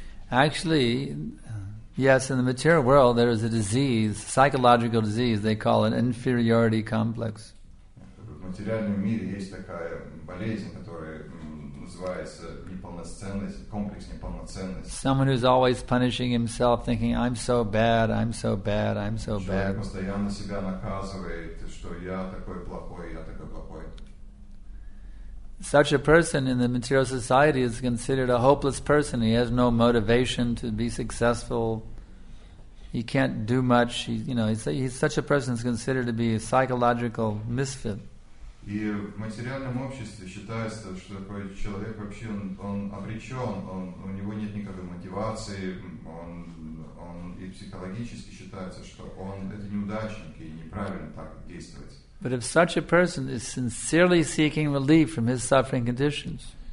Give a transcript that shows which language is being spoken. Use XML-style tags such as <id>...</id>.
<en>Actually, yes, in the material world there is a disease, psychological disease, they call it inferiority complex.</en> <ru>В материальном мире есть такая болезнь, которая называется неполноценность, комплекс неполноценности.</ru> <en>Someone who's always punishing himself, thinking, I'm so bad, I'm so bad, I'm so bad.</en> <ru>Человек постоянно себя наказывает, что я такой плохой, я такой плохой.</ru> <en>Such a person in the material society is considered a hopeless person. He has no motivation to be successful. He can't do much. He's such a person is considered to be a psychological misfit.</en> <ru>И в материальном обществе считается, что такой человек вообще он обречен. У него нет никакой мотивации. Он и психологически считается, что он это неудачник и неправильно так действовать.</ru> <en>But if such a person is sincerely seeking relief from his suffering conditions,</en>